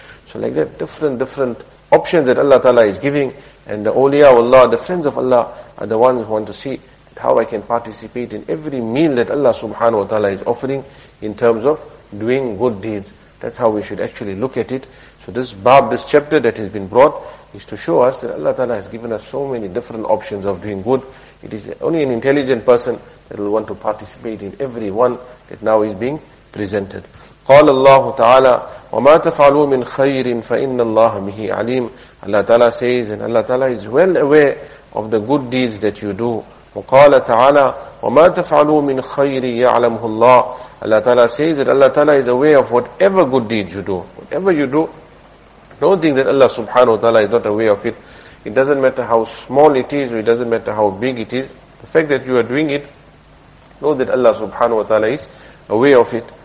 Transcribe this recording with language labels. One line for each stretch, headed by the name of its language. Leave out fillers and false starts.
English: So like that, different options that Allah ta'ala is giving, and the awliya of Allah, the friends of Allah, are the ones who want to see how I can participate in every meal that Allah subhanahu wa ta'ala is offering in terms of doing good deeds. That's how we should actually look at it. So this bab, this chapter that has been brought, is to show us that Allah ta'ala has given us so many different options of doing good. It is only an intelligent person that will want to participate in every one that now is being presented.
Arabic: قال الله تعالى وما تفعلوا من خير فإن الله به عليم.
English: Allah Ta'ala says, and Allah Ta'ala is well aware of the good deeds that you do.
Arabic: وقال تعالى وما تفعلوا من خير يعلمه الله.
English: Allah Ta'ala says that Allah Ta'ala is aware of whatever good deed you do. Whatever you do, don't think that Allah Subhanahu wa Ta'ala is not aware of it. It doesn't matter how small it is, or it doesn't matter how big it is. The fact that you are doing it, know that Allah subhanahu wa ta'ala is aware of it.